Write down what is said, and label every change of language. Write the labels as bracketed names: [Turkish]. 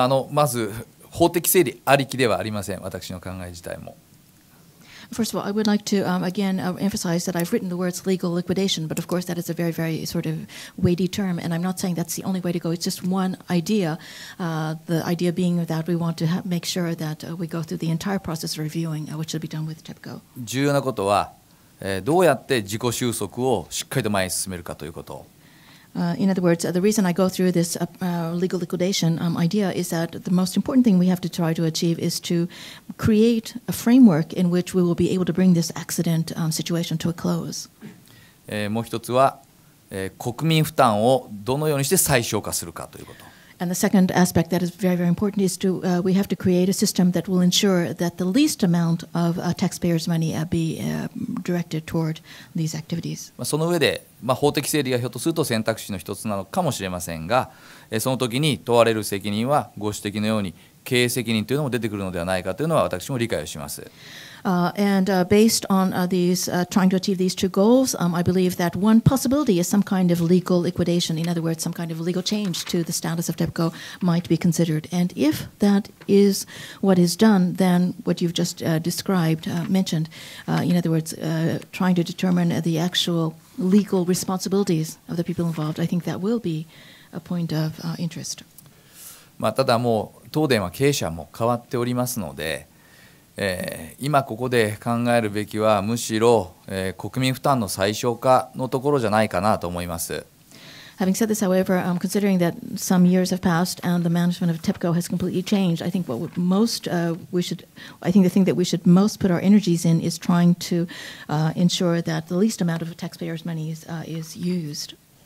[Japanese] まず法的整理ありきではありません。私の考え自体も。 [English] First of all, I would like to again emphasize that I've written the words legal liquidation, but of course that is a very, very sort of weighty term, and I'm not saying that's the only way to go. It's just one idea, the idea being that we want to make sure that we go through the entire process of reviewing, which will be done with TEPCO. [Japanese] 重要なことは、どうやって自己収束をしっかりと前に進めるかということ。 [English] In other words, the reason I go through this legal liquidation idea is that the most important thing we have to try to achieve is to create a framework in which we will be able to bring this accident situation to a close. [Japanese] もう一つは、国民負担をどのようにして最小化するかということ。 [English] And the second aspect that is very, very important is to we have to create a system that will ensure that the least amount of taxpayers' money be directed toward these activities. [Japanese] その上で、法的整理がひょっとすると選択肢の一つなのかもしれませんが、その時に問われる責任はご指摘のように経営責任というのも出てくるのではないかというのは私も理解をします。 [English] Based on these trying to achieve these two goals, I believe that one possibility is some kind of legal liquidation. In other words, some kind of legal change to the status of TEPCO might be considered. And if that is what is done, then what you've just mentioned, in other words, trying to determine the actual legal responsibilities of the people involved, I think that will be a point of interest. [Japanese] ただもう東電は経営者も変わっておりますので、今ここで考えるべきはむしろ、国民負担の最小化のところじゃないかなと思います。 [English] Having said this, however, considering that some years have passed and the management of TEPCO has completely changed, I think what would most we should, I think the thing that we should most put our energies in is trying to ensure that the least amount of taxpayers' money is used.